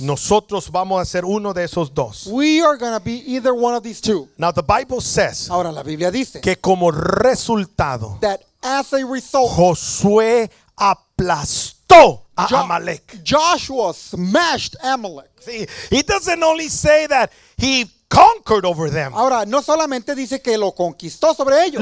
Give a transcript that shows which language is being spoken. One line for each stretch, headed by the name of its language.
Spanish: Nosotros vamos a ser uno de esos dos.
English: We are going to be either one of these two. Now the Bible says,
Spanish: ahora la Biblia dice, que como resultado,
English: that as a result,
Spanish: Josué aplastó a Amalek.
English: Joshua smashed Amalek. See, it doesn't only say that he conquered over them.
Spanish: Ahora no solamente dice que lo conquistó sobre ellos.